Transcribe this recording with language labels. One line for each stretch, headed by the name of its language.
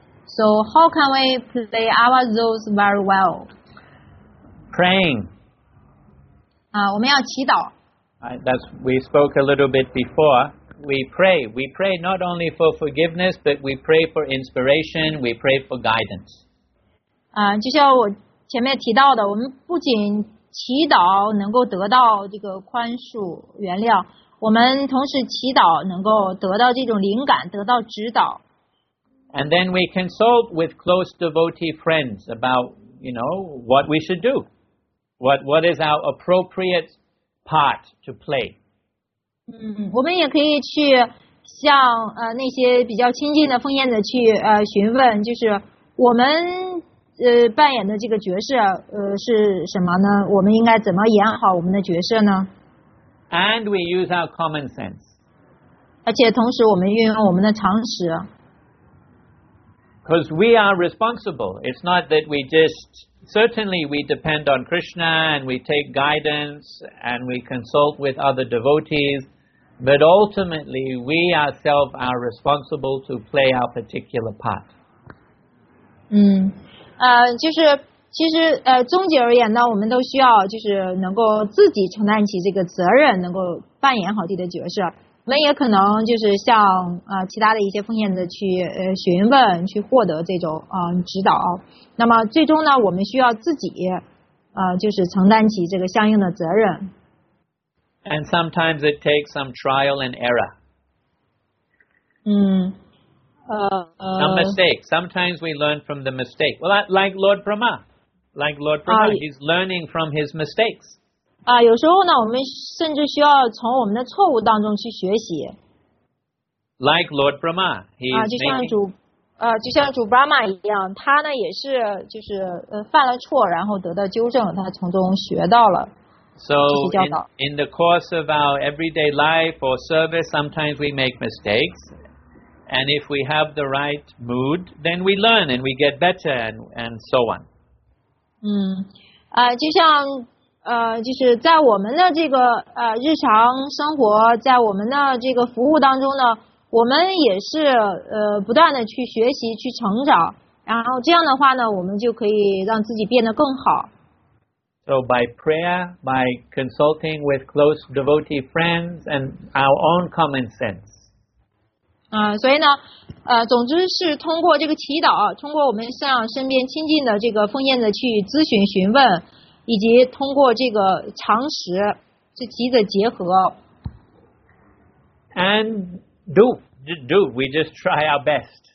English: So, how can we play our roles very well? Praying.
Chinese: 我们要祈祷。
English: That's, we spoke a little bit before. We pray. We pray not only for forgiveness, but we pray for inspiration. We pray for guidance.
Chinese: 就像我前面提到的，我们不仅祈祷能够得到这个宽恕原谅，我们同时祈祷能够得到这种灵感，得到指导。
English: And then we consult with close devotee friends about, you know, what we should do. What is our appropriate part to play.
Chinese: 我们也可以去向那些比较亲近的奉献者去询问，就是我们扮演的这个角色是什么呢？我们应该怎么演好我们的角色呢？
English: And we use our common sense.
Chinese: 而且同时我们运用我们的常识。
English: Because we are responsible. It's not that we just... Certainly, we depend on Krishna and we take guidance and we consult with other devotees, but ultimately, we ourselves are responsible to play our particular part.
Chinese: 就是其实总结而言呢，我们都需要就是能够自己承担起这个责任，能够扮演好自己的角色。我们也可能就是向其他的一些奉献者去询问，去获得这种指导。那么最终呢，我们需要自己就是承担起这个相应的责任。
English: And sometimes it takes some trial and error. Some mistake. Sometimes we learn from the mistake. Well, like Lord Brahma. Like Lord Brahma, he's learning from his mistakes.
Chinese: 有时候呢，我们甚至需要从我们的错误当中去学习。
English: Like Lord Brahma, he's
Chinese: 就像主 Brahma 一样，他呢也是就是犯了错，然后得到纠正，他从中学到了。
English: So in the course of our everyday life or service, sometimes we make mistakes, and if we have the right mood, then we learn and we get better and so on.
Chinese: 就像。就是在我们的这个日常生活，在我们的这个服务当中呢，我们也是不断的去学习去成长，然后这样的话呢，我们就可以让自己变得更好。
English: So by prayer, by consulting with close devotee friends and our own common sense.
Chinese: 所以呢，总之是通过这个祈祷，通过我们向身边亲近的这个奉献的去咨询询问，以及通过这个常识这几者结合。
English: And do, we just try our best.